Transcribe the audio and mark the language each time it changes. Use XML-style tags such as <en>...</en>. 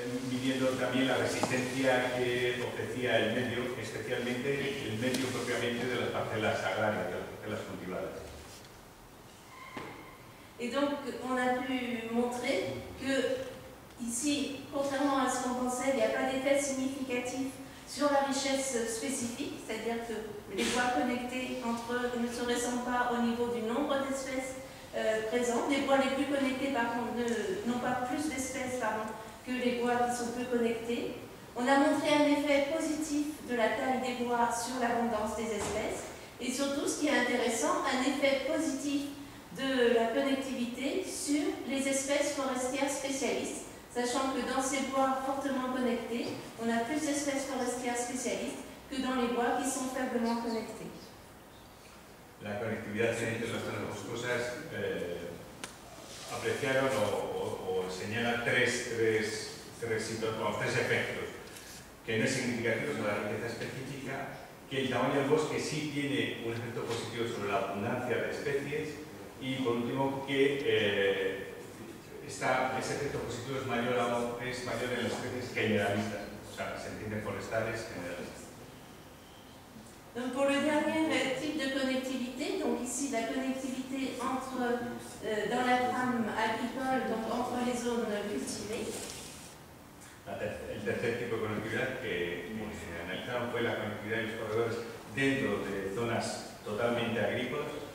<es>Midiendo también la resistencia que ofrecía el medio, especialmente el medio propiamente de las parcelas agrarias, de las parcelas cultivadas.</es> <fr>Et donc, on a pu montrer que, ici, contrairement à ce qu'on pensait, il n'y a pas d'effet significatif sur la richesse spécifique, c'est-à-dire que les bois connectés entre eux ne se ressemblent pas au niveau du nombre d'espèces présentes. Les bois les plus connectés, par contre, n'ont pas plus d'espèces que les bois qui sont peu connectés. On a montré un effet positif de la taille des bois sur l'abondance des espèces. Et surtout, ce qui est intéressant, un effet positif de la connectivité sur les espèces forestières spécialistes, sachant que dans ces bois fortement connectés, on a plus d'espèces forestières spécialistes que dans les bois qui sont faiblement connectés. La connectivité entre les zones</fr> <es>boscosas apreciaron o señala tres efectos que no es significativo sobre la riqueza específica, que el tamaño del bosque sí tiene un efecto positivo sobre la abundancia de especies, y por último que ese efecto positivo es mayor en las especies generalistas, o sea, se entiende forestales generalistas.</es> <fr>Donc pour le dernier type de connectivité, donc ici la connectivité entre dans la trame agricole, donc entre les zones cultivées.</fr> <es>El tercer tipo de conectividad que analizaron fue la conectividad de los corredores dentro de zonas totalmente agrícolas.</es>